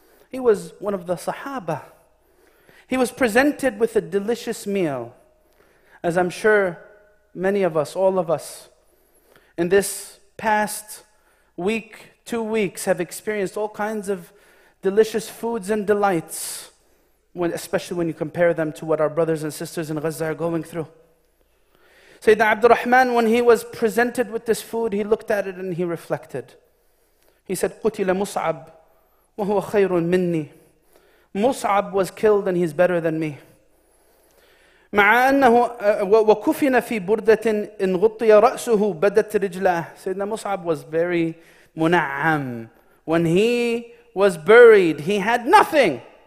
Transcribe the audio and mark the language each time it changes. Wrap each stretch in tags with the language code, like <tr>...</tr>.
<en>He was one of the Sahaba. He was presented with a delicious meal, as I'm sure many of us, all of us, in this past week, 2 weeks, have experienced all kinds of delicious foods and delights, especially when you compare them to what our brothers and sisters in Gaza are going through. Sayyidina Abdul Rahman, when he was presented with this food, he looked at it and he reflected. He said,</en> <ar>قُتِلَ مُصْعَبْ وَهُوَ خَيْرٌ مِنِّي.</ar> <en>Mus'ab was killed and he's better than me.</en> <ar>مَعَ أَنَّهُ وَكُفِنَ فِي بُرْدَةٍ إِنْ غُطِّيَ رَأْسُهُ بَدَتْ رِجْلَهُ.</ar> <en>Sayyidina Mus'ab was very mun'am. When he was buried, he had nothing.</en>